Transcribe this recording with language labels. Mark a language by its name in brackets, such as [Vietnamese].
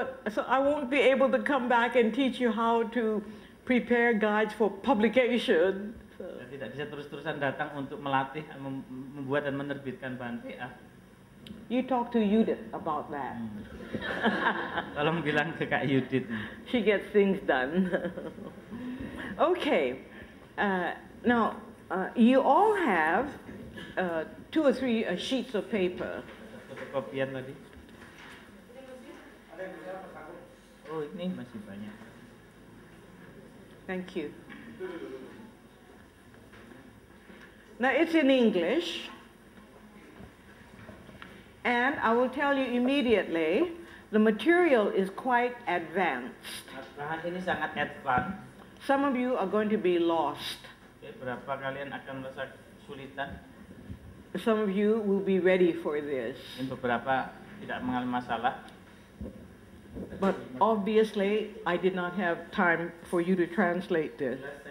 [English] So I won't be able to come back and teach you how to prepare guides for publication. [Indonesian] Saya tidak bisa terus-terusan datang untuk melatih membuat dan menerbitkan bahan PA. [English] You talk to Judith about that. [Indonesian] Tolong bilang ke Kak Judith. [English] She gets things done. Okay. Now, you all have 2 or 3 sheets of paper. [Indonesian] Fotokopian tadi. Oh, ini masih banyak. [English] Thank you. Now it's in English, and I will tell you immediately, the material is quite advanced. [Indonesian] Bahan ini sangat advanced. [English] Some of you are going to be lost. [Indonesian] Berapa kalian akan merasa kesulitan? [English] Some of you will be ready for this. [Indonesian] Dan beberapa tidak mengalami masalah. [English] But obviously, I did not have time for you to translate this.